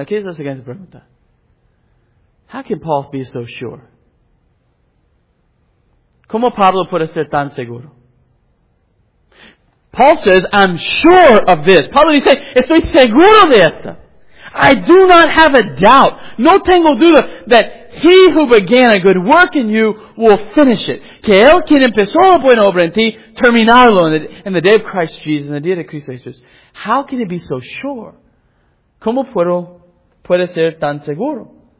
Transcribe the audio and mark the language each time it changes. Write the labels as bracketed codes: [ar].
[es] Aquí es la siguiente pregunta. [en] How can Paul be so sure? [es] ¿Cómo Pablo puede ser tan seguro? [en] Paul says, I'm sure of this. [es] Pablo dice, estoy seguro de esto. [en] I do not have a doubt. [es] No tengo duda [en] that he who began a good work in you will finish it. [es] Que él quien empezó la buena obra en ti, terminarlo en [en] the day of Christ Jesus, [es] en el día de Cristo Jesús. [en] How can he be so sure? [es] ¿Cómo puede ser tan seguro?